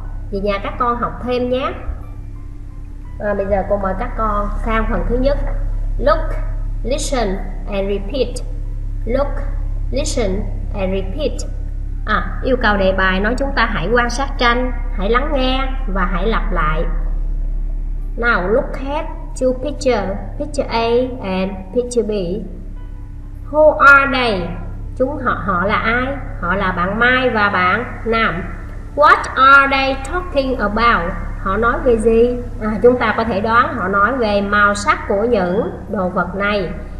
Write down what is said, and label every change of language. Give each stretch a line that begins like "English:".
Vietnamese: Về nhà các con học thêm nhé. Bây giờ cô mời các con sang phần thứ nhất.
English: Look, listen and repeat. Look, listen and repeat.
Vietnamese: Yêu cầu đề bài nói chúng ta hãy quan sát tranh, hãy lắng nghe và hãy lặp lại.
English: Now look at two picture, picture A and picture B. Who are they?
Vietnamese: Chúng họ họ là ai? Họ là bạn Mai và bạn Nam.
English: What are they talking about?
Vietnamese: Họ nói về gì? À, chúng ta có thể đoán họ nói về màu sắc của những đồ vật này.